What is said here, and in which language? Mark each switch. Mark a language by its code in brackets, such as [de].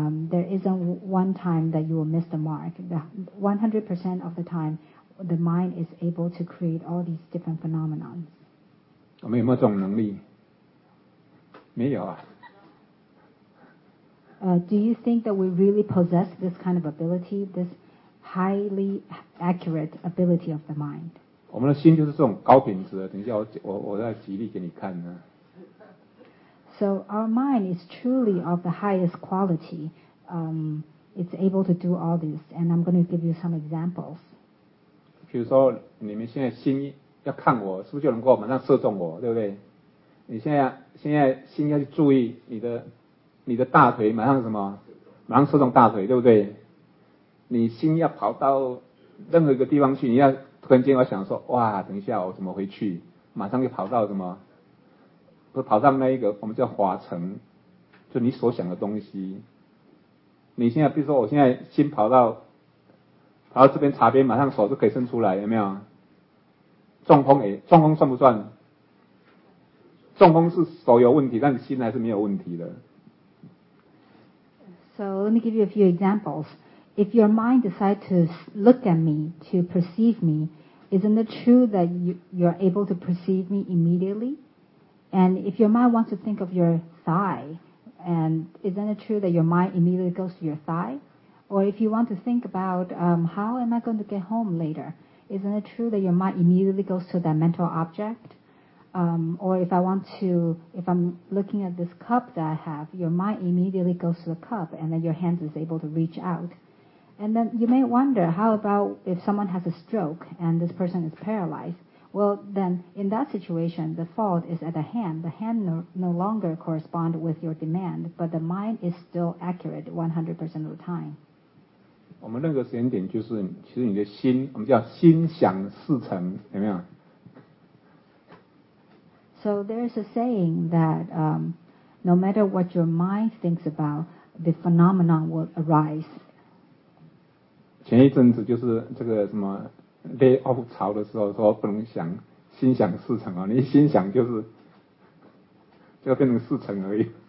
[en] There isn't one time that you will miss the mark. The 100% of the time,The mind is able to create all these different phenomena. [zh] 我们有没有这种能力？没有啊。 [en] Do you think that we really possess this kind of ability? This, highly accurate ability of the mind. [zh] 我们的心就是这种高品质的。等一下我再举例给你看呢。 [en] So our mind is truly of the highest quality. It's able to do all this, and I'm going to give you some examples. [zh] 比如说，你们现在心要看我，是不是就能够马上射中我，对不对？你现在心要去注意你的大腿，马上什么？马上射中大腿，对不对？你心要跑到任何一个地方去，你要突然间要想说，哇，等一下我怎么回去？马上就跑到什么？不是跑到那一个我们叫华城，就你所想的东西。你现在比如说，我现在心跑到这边茶边，马上手就可以伸出来，有没有？中风算不算？中风是手有问题，但心还是没有问题的。 [en] So let me give you a few examples. If your mind decides to look at me, to perceive me, isn't it true that you're able to perceive me immediately? And if your mind wants to think of your thigh, and isn't it true that your mind immediately goes to your thigh? Or if you want to think about how am I going to get home later, isn't it true that your mind immediately goes to that mental object? Or if I'm looking at this cup that I have, your mind immediately goes to the cup, and then your hand is able to reach out. And then you may wonder, how about if someone has a stroke and this person is paralyzed? Well, then in that situation, the fault is at the hand. The hand no longer corresponds with your demand, but the mind is still accurate 100% of the time. [zh] 我们那个时间点就是，其实你的心，我们叫心想事成，有没有？ [en] So there's a saying that no matter what your mind thinks about, the phenomenon will arise. [zh] 前一阵子就是这个什么 lay off 潮的时候，说不能想心想事成啊，你心想就变成事成而已。